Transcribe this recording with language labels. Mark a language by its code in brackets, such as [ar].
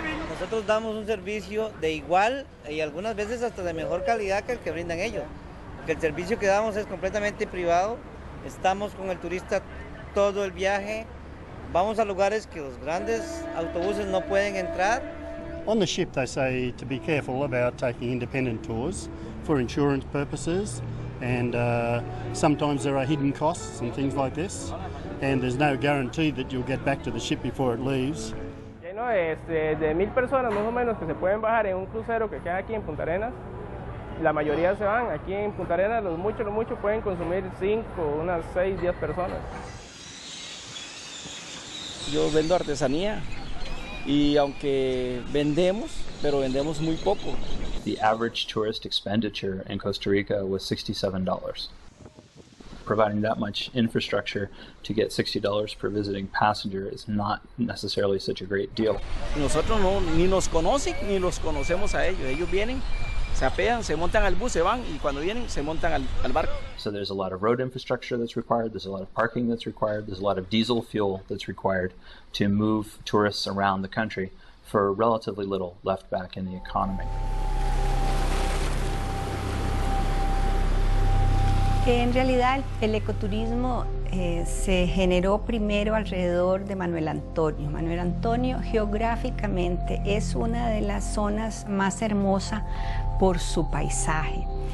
[es] Nosotros damos un servicio de igual y algunas veces hasta de mejor calidad que el que brindan ellos. Porque el servicio que damos es completamente privado. Estamos con el turista todo el viaje. Vamos a lugares que los grandes autobuses no pueden entrar. [en] On the ship they say to be careful about taking independent tours for insurance purposes. And sometimes there are hidden costs and things like this. And there's no guarantee that you'll get back to the ship before it leaves. [es] Lleno de 1,000 personas más o menos que se pueden bajar en un crucero que queda aquí en Punta Arenas. La mayoría se van aquí en Punta Arenas, los mucho pueden consumir 5, unas 6, 10 personas. Yo vendo artesanía y aunque vendemos, pero vendemos muy poco. [en] The average tourist expenditure in Costa Rica was $67. Providing that much infrastructure to get $60 per visiting passenger is not necessarily such a great deal. [es] Nosotros no, ni nos conocen ni los conocemos a ellos. Ellos vienen, se apean, se montan al bus, se van y cuando vienen se montan al barco. [en] So there's a lot of road infrastructure that's required, there's a lot of parking that's required, there's a lot of diesel fuel that's required to move tourists around the country for relatively little left back in the economy. [es] Que en realidad el ecoturismo se generó primero alrededor de Manuel Antonio. Manuel Antonio geográficamente es una de las zonas más hermosas por su paisaje.